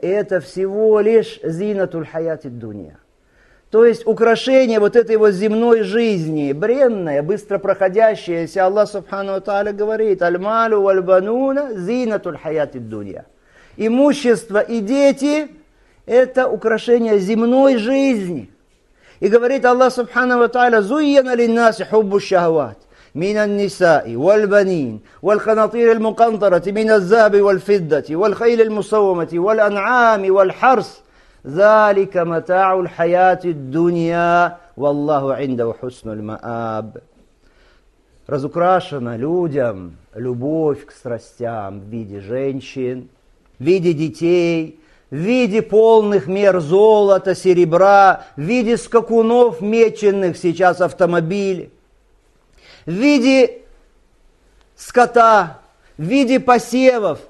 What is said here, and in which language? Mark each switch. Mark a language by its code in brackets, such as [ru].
[ru] Это всего лишь [ar] зинатуль хаяти дунья. [ru] То есть украшение вот этой вот земной жизни, бренное, быстро проходящееся. Аллах Субхану ва Тааля говорит: [ar] «Аль-малю валь-бануна зинатуль хаяти дунья». [ru] Имущество и дети – это украшение земной жизни. И говорит Аллах Субхану ва Тааля: [ar] «Зуйяна линнаси хуббу шахват». من النساء والبنين والقناطير المقنطرة من الذهب والفضة والخيل المسومة والأنعام والحرث ذلك متاع الحياة الدنيا والله عنده حسن المآب. [ru] Разукрашена людям любовь к страстям в виде женщин, в виде детей, в виде полных мер золота, серебра, в виде скакунов, меченных сейчас автомобилей, в виде скота, в виде посевов.